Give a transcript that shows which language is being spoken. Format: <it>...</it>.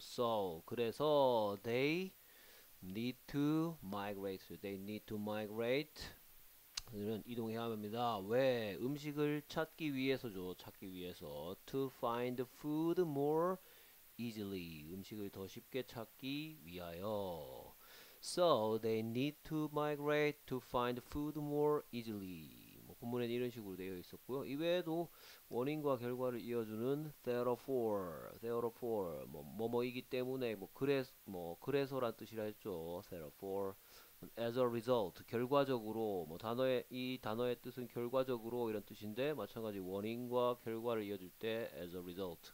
<en>So.</en> <ko>그래서</ko> <en>they need to migrate. They need to migrate.</en> <ko>그들은 이동해야 합니다. 왜? 음식을 찾기 위해서죠. 찾기 위해서.</ko> <en>To find food more easily.</en> <ko>음식을 더 쉽게 찾기 위하여.</ko> <en>So they need to migrate to find food more easily.</en> <ko>뭐 본문에는 이런 식으로 되어 있었고요. 이외에도 원인과 결과를 이어주는 therefore, therefore 뭐뭐뭐이기 때문에 그래서란 뜻이라 했죠.</ko> <en>Therefore, as a result,</en> <ko>결과적으로 뭐 단어의 이 단어의 뜻은 결과적으로 이런 뜻인데 마찬가지 원인과 결과를 이어줄 때 as a result.</ko>